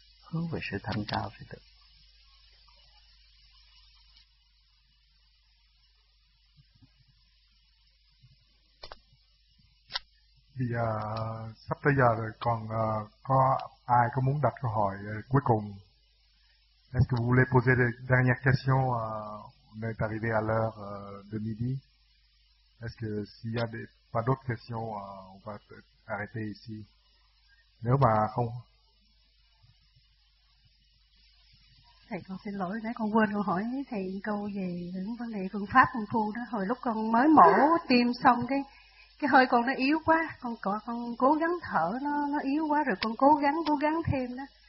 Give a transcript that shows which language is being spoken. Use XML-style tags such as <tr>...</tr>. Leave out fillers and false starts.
<vi>Hướng về sự thanh cao sẽ được. Bây giờ sắp tới giờ rồi, còn có ai có muốn đặt câu hỏi cuối cùng?</vi> <fr>Est-ce que vous voulez poser la dernière question? On est arrivé à l'heure de midi. Est-ce que s'il y a pas d'autres questions, on va arrêter ici?</fr> <vi>Nếu mà không. Thầy con xin lỗi, nãy con quên con hỏi thầy câu về những vấn đề phương pháp phong phu đó. Hồi lúc con mới mổ tim xong cái hơi con nó yếu quá, con cố gắng thở nó yếu quá, rồi con cố gắng thêm đó,</vi>